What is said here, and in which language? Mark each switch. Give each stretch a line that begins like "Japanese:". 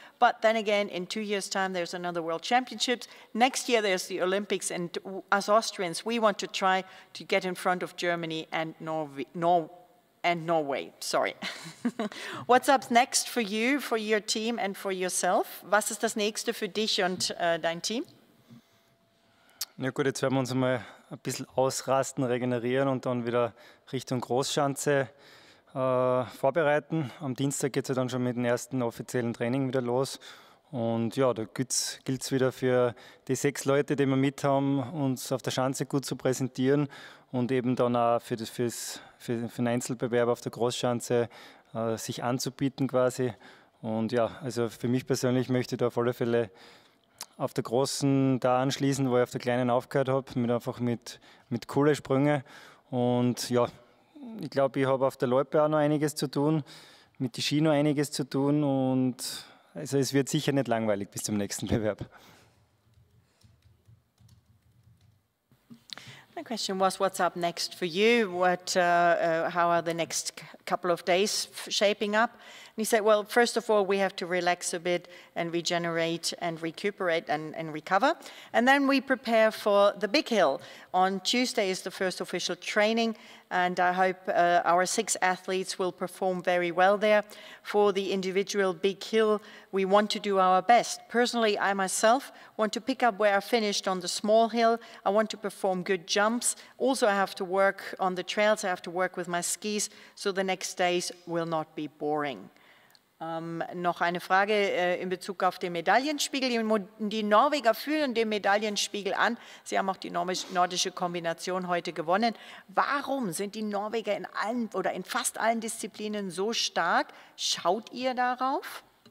English: But then again, in 2 years' time, there's another World Championships. Next year, there's the Olympics. And as Austrians, we want to try to get in front of Germany and Norway. Sorry. What's up next for you, for your team and for yourself?
German: Was ist das Nächste für dich und dein Team? Ja gut, jetzt werden wir uns mal ein bisschen ausrasten, regenerieren und dann wieder Richtung Großschanze vorbereiten. Am Dienstag geht es ja dann schon mit dem ersten offiziellen Training wieder los. Und ja, da gilt es wieder für die 6 Leute, die wir mit haben, uns auf der Schanze gut zu präsentieren und eben dann auch für den Einzelbewerb auf der Großschanze sich anzubieten quasi. Und ja, also für mich persönlich möchte ich da auf alle Fälle auf der Großen da anschließen, wo ich auf der Kleinen aufgehört habe, mit coolen Sprüngen. Und ja, ich glaube, ich habe auf der Loipe auch noch einiges zu tun, mit den Ski noch einiges zu tun. Und also es wird sicher nicht langweilig bis zum nächsten Bewerb.
English: The question was, what's up next for you? What, how are the next couple of days shaping up? And he said, well, first of all, we have to relax a bit and regenerate and recuperate and recover. And then we prepare for the big hill. On Tuesday is the first official training, and I hope our 6 athletes will perform very well there. For the individual big hill, we want to do our best. Personally, I myself want to pick up where I finished on the small hill. I want to perform good jumps. Also, I have to work on the trails. I have to work with my skis, so the next days will not be boring.
German: Noch eine Frage in Bezug auf den Medaillenspiegel. Die Norweger führen den Medaillenspiegel an. Sie haben auch die nordische Kombination heute gewonnen. Warum sind die Norweger in allen oder in fast allen Disziplinen so stark? Schaut ihr darauf?